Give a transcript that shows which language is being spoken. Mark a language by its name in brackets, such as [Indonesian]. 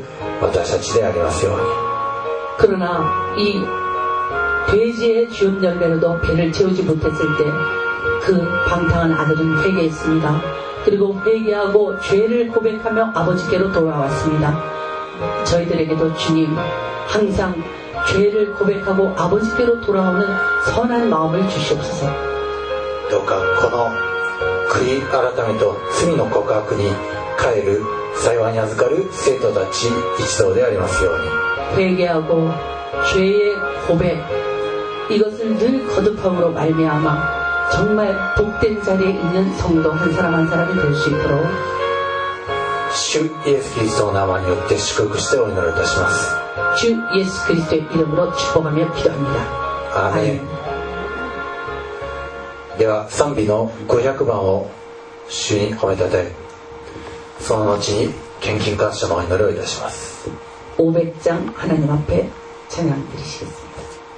[Japanese] そして再び帰ってきて父の懐に飛び込んで私は神の前にまたあなたの前に罪を犯しましたと正しく告白してそして幸いに入る私たちでありますように。 [Korean] 그러나 이 돼지의 주염 열매로도 배를 채우지 못했을 때 그 방탕한 아들은 회개했습니다. 그리고 회개하고 죄를 고백하며 아버지께로 돌아왔습니다. 저희들에게도 주님 항상 죄를 고백하고 아버지께로 돌아오는 선한 마음을 주시옵소서. [Japanese] 도가 この 悔い改めと罪の告白に帰る幸いに預かる生徒たち一同でありますように。 [Korean] 회개하고 죄의 고백 이것을 늘 거듭함으로 말미암아 정말 복된 자리에 있는 성도 한 사람 한 사람이 될 수 있도록 주 예수 그리스도의 이름으로 축복하시옵소서. 주 예수 그리스도의 이름으로 축복하며 기도합니다. 아멘. [Japanese] では 賛美の 500番を 주님 褒めたて その後に献金感謝の祈りをいたします。 [Korean] 500장 하나님 앞에 찬양 드리시겠습니다.